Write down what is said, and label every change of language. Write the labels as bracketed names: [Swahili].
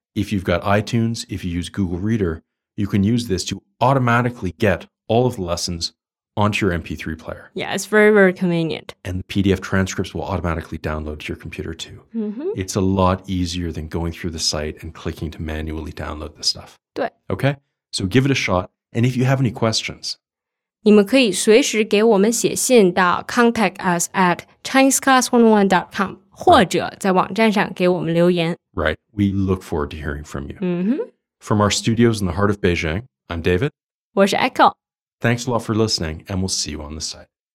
[English] If you've got iTunes, if you use Google Reader, you can use this to automatically get all of the lessons. Onto your MP3 player. Yeah, it's very, very convenient. And the PDF transcripts will automatically download to your computer too.、 Mm-hmm. It's a lot easier than going through the site and clicking to manually download this stuff. [Chinese] 对。 [English] Okay? So give it a shot. And if you have any questions, [Chinese] 你们可以随时给我们写信到 [English] contact us at ChineseClass101.com [Chinese] 或者在网站上给我们留言。 [English] Right. We look forward to hearing from you.、 Mm-hmm. From our studios in the heart of Beijing, I'm David. [Chinese] 我是 Echo. [English] Thanks a lot for listening, and we'll see you on the site.